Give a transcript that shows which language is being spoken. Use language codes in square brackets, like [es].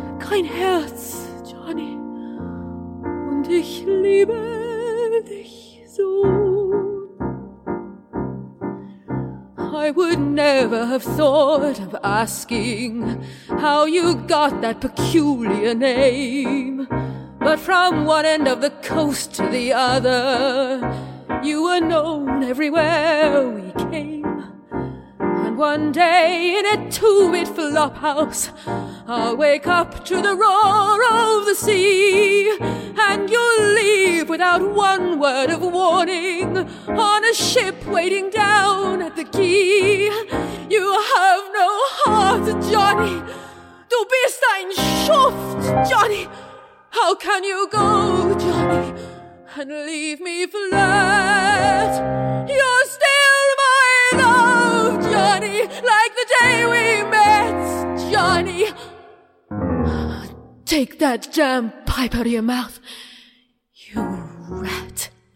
[de] dein Herz, Johnny, und ich liebe dich so. [en] I would never have thought of asking how you got that peculiar name. But from one end of the coast to the other, you were known everywhere we came. And one day in a two-bit flop house, I'll wake up to the roar of the sea, and you'll leave without one word of warning on a ship waiting down at the quay. You have no heart, Johnny. [de] Du bist ein Schuft, Johnny. [en] How can you go, Johnny, and leave me flat? You're still my love, Johnny, like the day we met, Johnny. Take that damn pipe out of your mouth, you rat.